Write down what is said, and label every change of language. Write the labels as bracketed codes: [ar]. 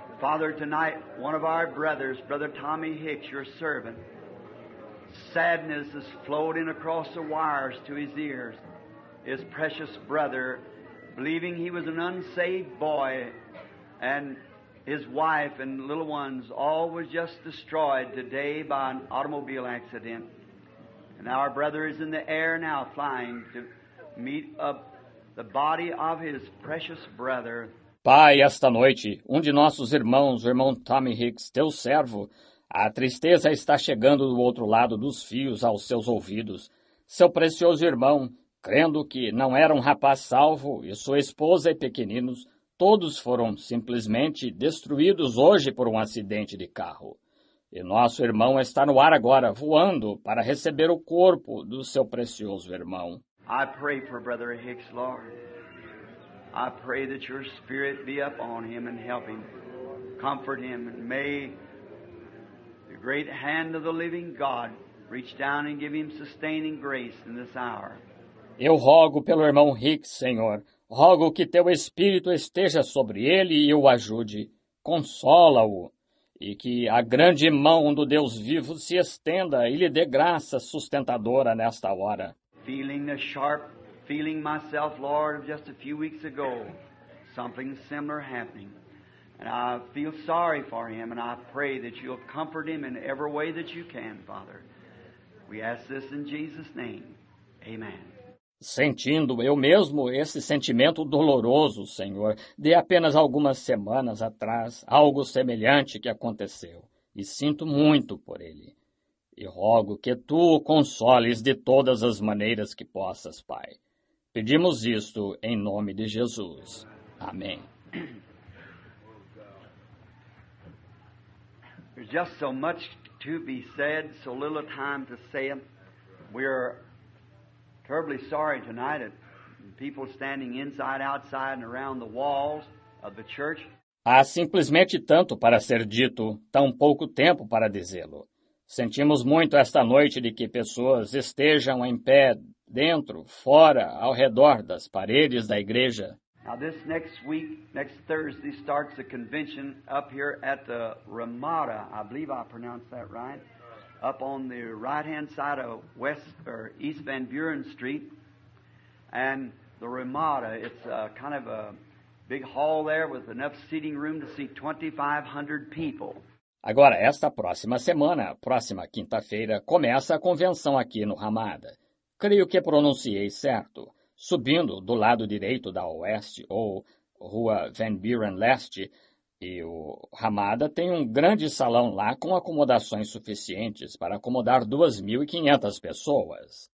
[en] Father, tonight, one of our brothers, Brother Tommy Hicks, your servant, sadness is floating across the wires to his ears. His precious brother, believing he was an unsaved boy, and his wife and little ones, all was just destroyed today by an automobile accident. And our brother is in the air now, flying to meet up the body of his precious brother. [pt] Pai, esta noite, um de nossos irmãos, o irmão Tommy Hicks, teu servo, a tristeza está chegando do outro lado dos fios aos seus ouvidos. Seu precioso irmão, crendo que não era um rapaz salvo, e sua esposa e pequeninos, todos foram simplesmente destruídos hoje por um acidente de carro. E nosso irmão está no ar agora, voando, para receber o corpo do seu precioso irmão. [en] I pray for Brother Hicks, Lord. I pray that your spirit be up on him and help him, comfort him, and may the great hand of the living God reach down and give him sustaining grace in this hour. [pt] Eu rogo pelo irmão Hicks, Senhor. Rogo que teu espírito esteja sobre ele e o ajude. Consola-o. E que a grande mão do Deus vivo se estenda e lhe dê graça sustentadora nesta hora. [en] Feeling the sharp feeling myself, Lord, of just a few weeks ago, something similar happening. And I feel sorry for him, and I pray that you'll comfort him in every way that you can, Father. We ask this in Jesus' name. Amen. [pt] Sentindo eu mesmo esse sentimento doloroso, Senhor, de apenas algumas semanas atrás, algo semelhante que aconteceu, e sinto muito por ele. E rogo que tu o consoles de todas as maneiras que possas, Pai. Pedimos isto em nome de Jesus. Amém. [en] There's just so much to be said, so little time to say it. We're terribly sorry tonight at people standing inside, outside, and around the walls of the church. [pt] Há simplesmente tanto para ser dito, tão pouco tempo para dizê-lo. Sentimos muito esta noite de que pessoas estejam em pé, dentro, fora, ao redor das paredes da igreja. [en] Now this next week, next Thursday, starts a convention up here at the Ramada. I believe I pronounced that right. Up on the right-hand side of West or East Van Buren Street. And the Ramada, it's a kind of a big hall there with enough seating room to seat 2,500 people. [pt] Agora, esta próxima semana, próxima quinta-feira, começa a convenção aqui no Ramada. Creio que pronunciei certo. Subindo do lado direito da Oeste, ou Rua Van Buren Leste, e o Ramada tem um grande salão lá com acomodações suficientes para acomodar 2.500 pessoas.